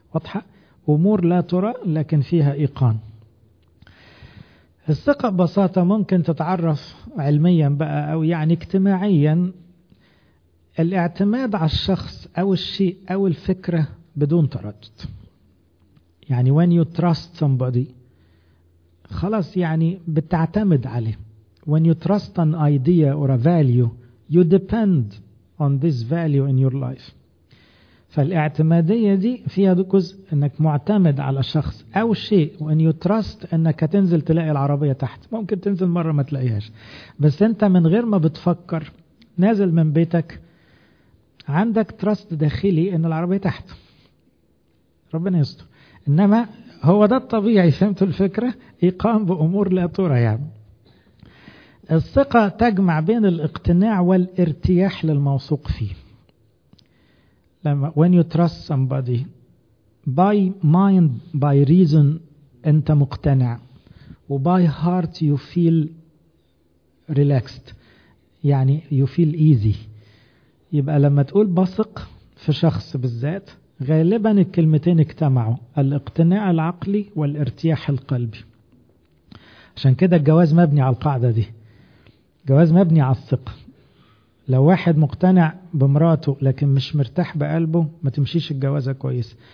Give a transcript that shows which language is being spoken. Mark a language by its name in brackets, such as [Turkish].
[Arabic] واضحة؟ أمور لا ترى لكن فيها إيقان. الثقة ببساطة ممكن تتعرف علميا بقى أو يعني اجتماعيا، الاعتماد على الشخص أو الشيء أو الفكرة بدون تردد. يعني [English] when you trust somebody [Arabic] خلاص يعني بتعتمد عليه. [English] when you trust an idea or a value you depend on this value in your life. [Arabic] فالاعتمادية دي فيها جزء انك معتمد على شخص او شيء. [English] when you trust [Arabic] انك تنزل تلاقي العربية تحت، ممكن تنزل مرة ما تلاقيهاش بس انت من غير ما بتفكر نازل من بيتك عندك trust داخلي ان العربية تحت، ربنا يستر. انما هو ده الطبيعي. فهمتوا الفكرة؟ ايقان بامور لا ترى. يعني الثقة تجمع بين الاقتناع والارتياح للموثوق فيه. [English] لما when you trust somebody by mind by reason [Arabic] انت مقتنع، و [English] by heart you feel relaxed يعني you feel easy. [Arabic] يبقى لما تقول بثق في شخص بالذات غالبا الكلمتين اجتمعوا، الاقتناع العقلي والارتياح القلبي. عشان كده الجواز مبني على القاعدة دي. جواز مبني على الثقة. لو واحد مقتنع بمراته لكن مش مرتاح بقلبه ما تمشيش الجوازة كويس.